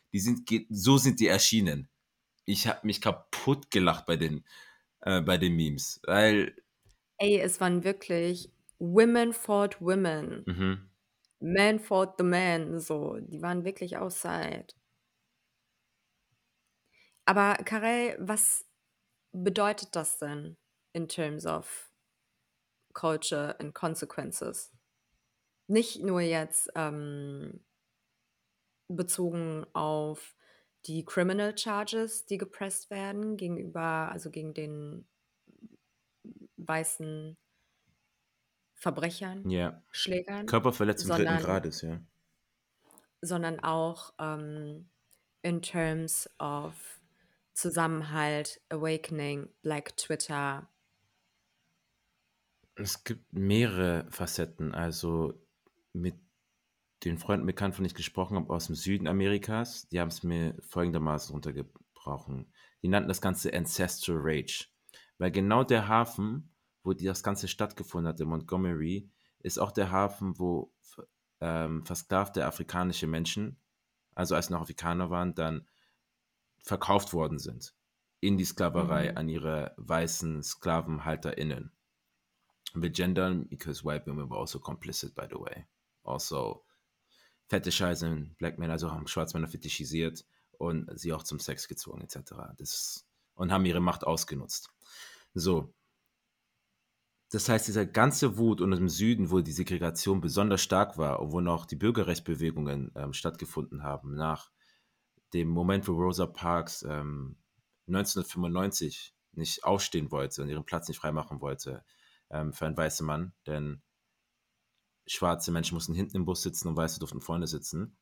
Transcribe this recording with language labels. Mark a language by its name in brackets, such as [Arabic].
[German] Die sind, so sind die erschienen. Ich habe mich kaputt gelacht bei den Memes, weil... Ey, es waren wirklich [English] Women fought Women. [German] Mhm. [English] Men fought the Men, so. [German] Die waren wirklich outside. Aber Karel, was bedeutet das denn [English] in terms of culture and consequences? [German] Nicht nur jetzt bezogen auf die Criminal Charges, die gepresst werden gegenüber, also gegen den weißen Verbrechern, [English] yeah. [German] Schlägern. Körperverletzung dritten Grades, ja. Sondern auch in terms of Zusammenhalt, Awakening, Black Twitter. Es gibt mehrere Facetten. Also mit den Freunden bekannt, von denen ich gesprochen habe, aus dem Süden Amerikas, die haben es mir folgendermaßen runtergebrochen. Die nannten das Ganze Ancestral Rage. Weil genau der Hafen, wo das Ganze stattgefunden hat, in Montgomery, ist auch der Hafen, wo versklavte afrikanische Menschen, also als sie noch Afrikaner waren, dann verkauft worden sind in die Sklaverei an ihre weißen SklavenhalterInnen. Wir gendern, [English] because white women were also complicit, by the way. [German] Also [English] fetishizing black men, [German] also haben Schwarzmänner fetischisiert und sie auch zum Sex gezwungen, etc. Und haben ihre Macht ausgenutzt. So. Das heißt, dieser ganze Wut und im Süden, wo die Segregation besonders stark war und wo noch die Bürgerrechtsbewegungen stattgefunden haben, nach dem Moment, wo Rosa Parks 1995 nicht aufstehen wollte und ihren Platz nicht freimachen wollte für einen weißen Mann, denn schwarze Menschen mussten hinten im Bus sitzen und Weiße durften vorne sitzen.